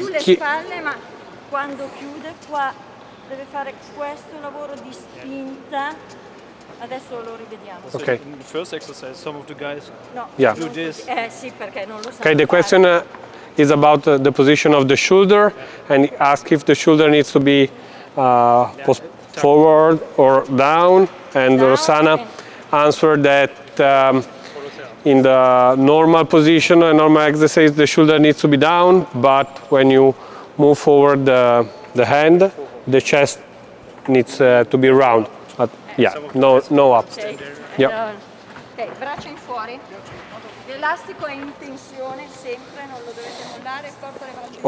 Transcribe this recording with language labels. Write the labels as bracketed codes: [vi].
[it] sulle spalle, ma quando chiude qua deve fare questo lavoro di spinta. Adesso lo rivediamo. [en] So okay. In the first exercise, some of the guys do this. [it] Sì, perché non lo sanno. [en] Okay, the question is about the position of the shoulder and ask if the shoulder needs to be forward or down, and down, Rossana okay. answered that in the normal position, a normal exercise, the shoulder needs to be down, but when you move forward the hand, the chest needs to be round, but yeah, no up. Okay. Yep. [it] Okay, braccio in fuori. L'elastico è in tensione sempre, non lo dovete mollare, porto le braccia.